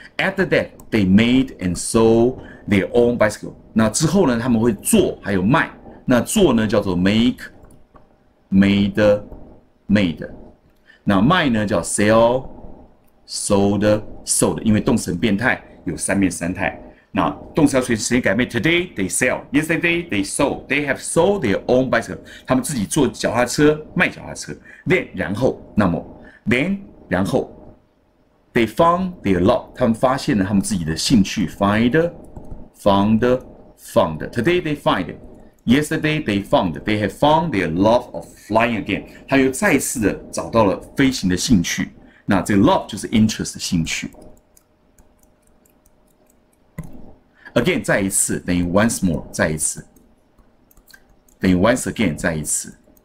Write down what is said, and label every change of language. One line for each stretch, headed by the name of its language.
English: After that, they made and sold their own bicycle.
Chinese: 那之后呢，他们会做还有卖。那做呢叫做
English: make, made, made.
Chinese: 那卖呢叫
English: sell, sold, sold.
Chinese: 因为动词变态有三变三态。那动词要随时间改变。
English: Today they sell. Yesterday they sold. They have sold their own bicycle.
Chinese: 他们自己坐脚踏车卖脚踏车。
English: Then
Chinese: 然后那么
English: then
Chinese: 然后
English: they found their love.
Chinese: 他们发现了他们自己的兴趣。
English: Found. Today they find. Yesterday they found. They have found their love of flying again.
Chinese: 他又再次的找到了飞行的兴趣。那这个 love 就是 interest 兴趣。
English: Again,
Chinese: 再一次等于
English: once more,
Chinese: 再一次等于
English: once again,
Chinese: 再一次。